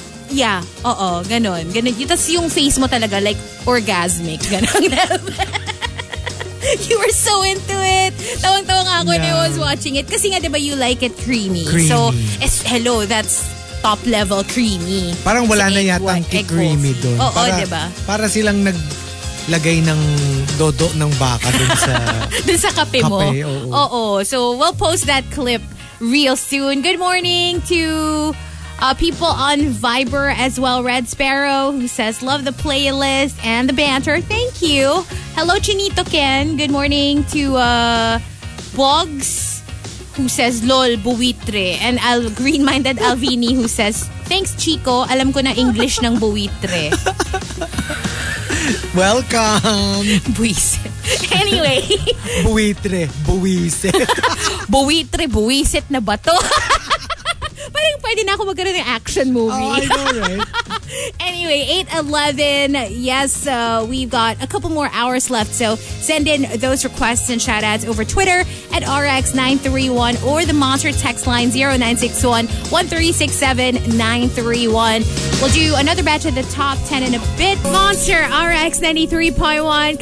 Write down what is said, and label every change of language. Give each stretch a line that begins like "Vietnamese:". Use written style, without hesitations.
Filipino: Yeah, oo, ganun. Ganun. Tapos yung face mo talaga, like, orgasmic. Ganun.
English: You were so into it.
Filipino: Tawang-tawa nga ako
English: when I was watching it.
Filipino: Kasi nga, di ba,
English: you like it creamy. Creamy. So, hello, that's top level creamy.
Filipino: Parang wala na yata ang creamy doon. Oo, di ba? Para silang naglagay ng dodo ng baka dun sa... dun sa kape mo. Oo.
English: So, we'll post that clip real soon. Good morning to... people on Viber as well. Red Sparrow, who says, love the playlist and the banter. Thank you. Hello, Chinito Ken. Good morning to Bogs, who says, lol, buwitre. And green-minded Alvini, who says, thanks, Chico.
Filipino: Alam ko na English ng buwitre.
English: Welcome.
Filipino: Buwise. Anyway. Buwitre. Buwise. Buwitre. Buwisit na ba to? Pwede na ako magkaroon ng action movie.
English: Oh, I know, right? Anyway, 8:11. Yes, we've got a couple more hours left. So send in those requests and shout-outs over Twitter at RX931 or the Monster text line 0961-1367-931. We'll do another batch of the top 10 in a bit. Monster RX93.1.